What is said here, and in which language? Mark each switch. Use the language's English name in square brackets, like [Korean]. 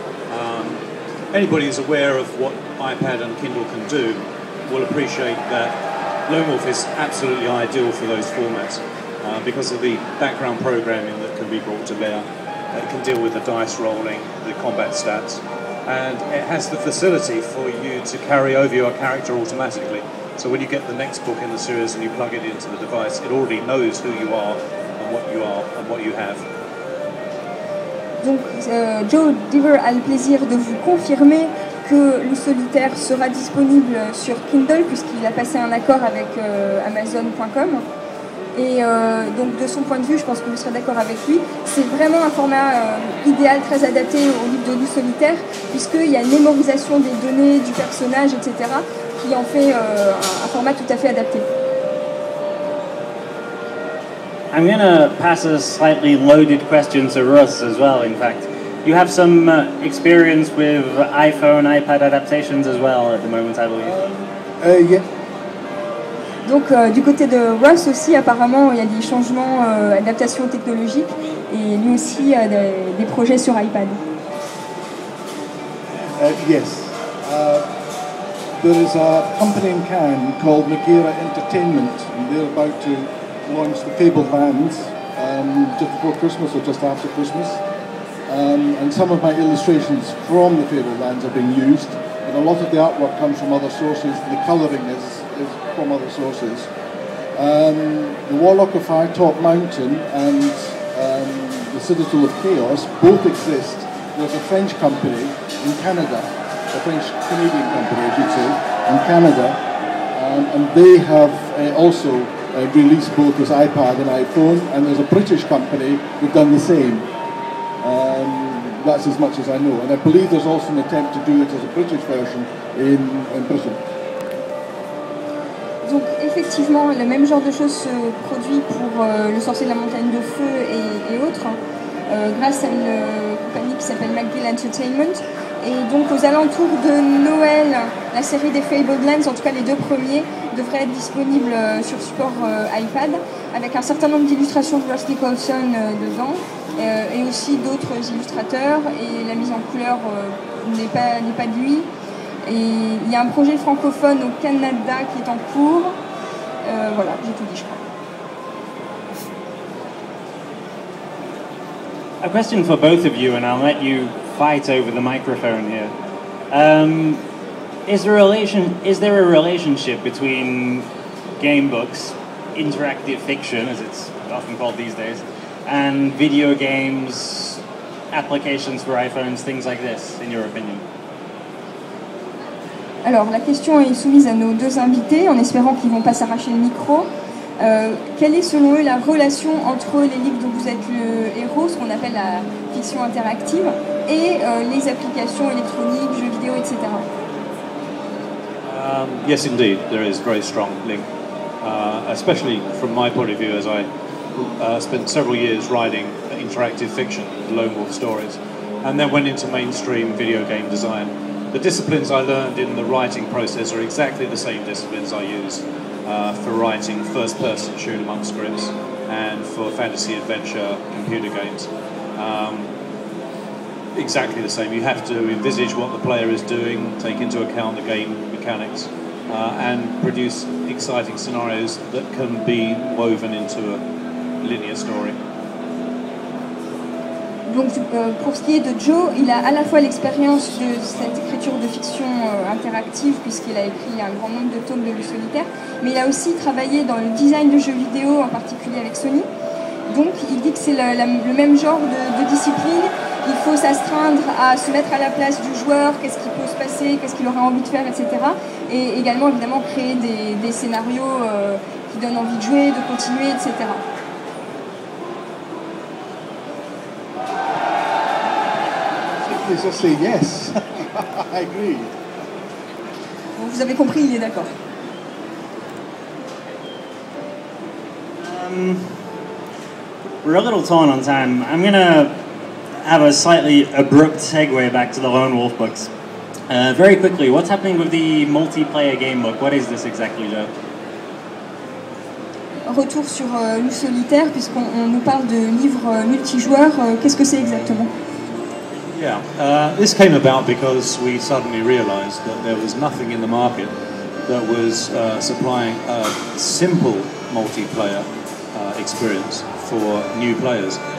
[English] Anybody who's aware of what iPad and Kindle can do will appreciate that Lone Wolf is absolutely ideal for those formats because of the background programming that can be brought to bear. It can deal with the dice rolling, the combat stats, and it has the facility for you to carry over your character automatically. So when you get the next book in the series and you plug it into the device, it already knows who you are and what you are and what you have. [French] Donc, Joe Diver a le plaisir de vous confirmer que le solitaire sera disponible sur Kindle puisqu'il a passé un accord avec Amazon.com. Et donc, de son point de vue, je pense que vous serez d'accord avec lui, c'est vraiment un format idéal, très adapté au livre de loup solitaire puisqu'il y a une mémorisation des données, du personnage, etc. qui en fait un format tout à fait adapté. [English] I'm going to pass a slightly loaded question to Russ as well, in fact. You have some experience with iPhone, iPad adaptations as well at the moment, I believe. Yeah. [French] Donc, du côté de Russ aussi, apparemment, il y a des changements, adaptations technologiques, et lui aussi a des projets sur iPad. [English] Yes. There is a company in Cannes called Nagira Entertainment, and they're about to launched the Fable Vans just before Christmas or just after Christmas, and some of my illustrations from the Fable Vans are being used, and a lot of the artwork comes from other sources. The colouring is from other sources. The Warlock of Firetop Mountain and the Citadel of Chaos both exist. There's a French company in Canada, a French Canadian company, I should say, in Canada, and they have also released both as iPad and iPhone, and there's a British company who've done the same. That's as much as I know, and I believe there's also an attempt to do it as a British version in Britain. [French] Donc effectivement, le même genre de choses se produit pour le Sorcier de la Montagne de Feu et autres, grâce à une compagnie qui s'appelle McGill Entertainment. Et donc aux alentours de Noël, la série des Fablelands, en tout cas les deux premiers, devrait être disponible sur support iPad, avec un certain nombre d'illustrations de Ross Nicholson dedans, et aussi d'autres illustrateurs, et la mise en couleur n'est pas de lui. Et il y a un projet francophone au Canada qui est en cours. Voilà, j'ai tout dit, je crois. [English] A question for both of you, and I'll let you fight over the microphone here. Is there a relationship between game books, interactive fiction, as it's often called these days, and video games, applications for iPhones, things like this, in your opinion? [French] Alors, la question est soumise à nos deux invités, en espérant qu'ils ne vont pas s'arracher le micro. Quelle est selon eux la relation entre les livres dont vous êtes le héros, ce qu'on appelle la fiction interactive, et les applications électroniques, jeux vidéo, etc. [English] Yes, indeed, there is a very strong link, especially from my point of view, as I spent several years writing interactive fiction, lone wolf stories, and then went into mainstream video game design. The disciplines I learned in the writing process are exactly the same disciplines I use for writing first-person shoot-em-up scripts and for fantasy adventure computer games. Exactly the same. You have to envisage what the player is doing, take into account the game mechanics, and produce exciting scenarios that can be woven into a linear story. [French] Donc, pour ce qui est de Joe, il a à la fois l'expérience de cette écriture de fiction interactive, puisqu'il a écrit un grand nombre de tomes de loup solitaire, mais il a aussi travaillé dans le design de jeux vidéo, en particulier avec Sony. Donc, il dit que c'est le même genre de discipline. Il faut s'astreindre à se mettre à la place du joueur, qu'est-ce qui peut se passer, qu'est-ce qu'il aura envie de faire, etc. Et également, évidemment, créer des scénarios qui donnent envie de jouer, de continuer, etc. [English] Just say yes. I agree. [French] Vous avez compris, il est d'accord. [English] We're a little torn on time. I'm going to have a slightly abrupt segue back to the Lone Wolf books. Very quickly, what's happening with the multiplayer game book? What is this exactly, Joe? [French] Retour sur Loup Solitaire, puisqu'on nous parle de livres multijoueurs. Qu'est-ce que c'est exactement? [English] This came about because we suddenly realized that there was nothing in the market that was supplying a simple multiplayer experience for new players.